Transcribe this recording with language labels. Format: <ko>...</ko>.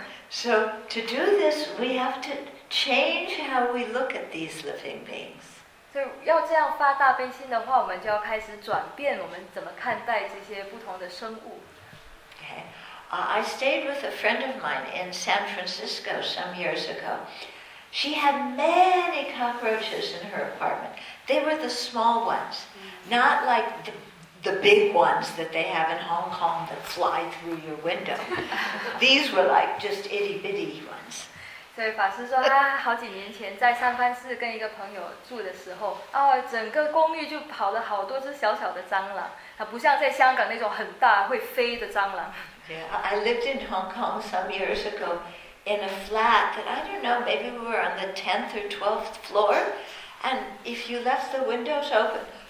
<en>So to do this, we have to change how we look at these living beings.</en> <zh>所以要这样发大悲心的话，我们就要开始转变我们怎么看待这些不同的生物。</zh> <en>Okay, I stayed with a friend of mine in San Francisco some years ago. She had many cockroaches in her apartment. They were the small ones, not like the big ones that they have in Hong Kong that fly through your window. These were like just itty bitty ones.</en> <zh>所以法师说他好几年前在上班室跟一个朋友住的时候，哦，整个公寓就跑了好多只小小的蟑螂，它不像在香港那种很大会飞的蟑螂。</zh> <en>Yeah, I lived in Hong Kong some years ago in a flat that I don't know, maybe we were on the 10th or 12th floor, and if you left the windows open,</en>